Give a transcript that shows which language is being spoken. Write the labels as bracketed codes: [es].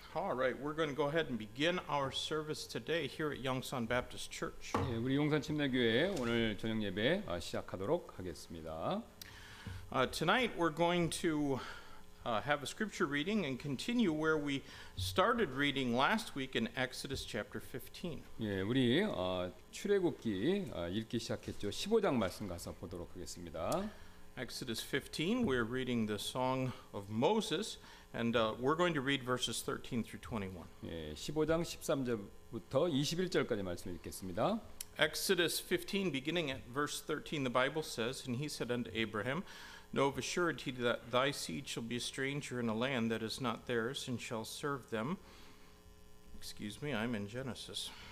[en] All right, we're going to go ahead and begin our service today here at Yongsan Baptist Church. [ko] 예, 우리 용산 침례교회 오늘 저녁 예배 시작하도록 하겠습니다. [en] Tonight we're going to have a scripture reading and continue where we started reading last week in Exodus chapter 15. [ko] 예, 우리 출애굽기 읽기 시작했죠. 15장 말씀 가서 보도록 하겠습니다. [en] Exodus 15, we're reading the song of Moses, and we're going to read verses 13 through 21. [ko] 예, 15장 13절부터 21절까지 말씀을 읽겠습니다. [en] Exodus 15, beginning at verse 13, the Bible says, And he said unto Abraham, Know of a surety that thy seed shall be a stranger in a land that is not theirs, and shall serve them. Excuse me, I'm in Genesis.